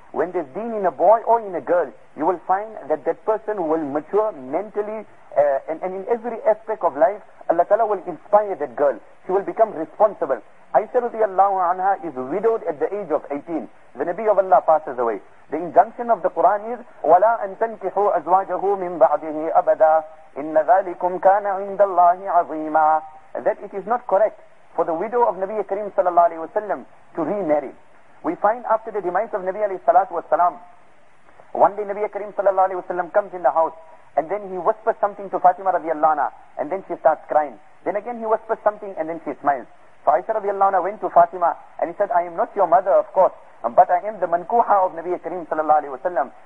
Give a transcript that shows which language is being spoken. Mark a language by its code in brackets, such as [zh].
[en] When there's deen in a boy or in a girl, you will find that person will mature mentally and in every aspect of life. Allah Ta'ala will inspire that girl. She will become responsible. Aisha radiallahu anha is widowed at the age of 18. The Nabi of Allah passes away. The injunction of the Quran is, [ar] وَلَا أَن تَنْكِحُوا أَزْوَاجَهُ مِنْ بَعْدِهِ أَبَدًا إِنَّ ذَلِكُمْ كَانَ عِنْدَ اللَّهِ عَظِيمًا. [en] That it is not correct for the widow of Nabi Kareem sallallahu alayhi wa sallam to remarry. We find after the demise of Nabi alayhi salatu wa salam, one day Nabi Kareem sallallahu alayhi wa sallam comes in the house and then he whispers something to Fatima radiallahu anha and then she starts crying. Then again he whispers something and then she smiles. So Aisha radiallahu anha went to Fatima and he said, I am not your mother, of course, but I am the mankuha of Nabi Kareem sallallahu alayhi wa sallam.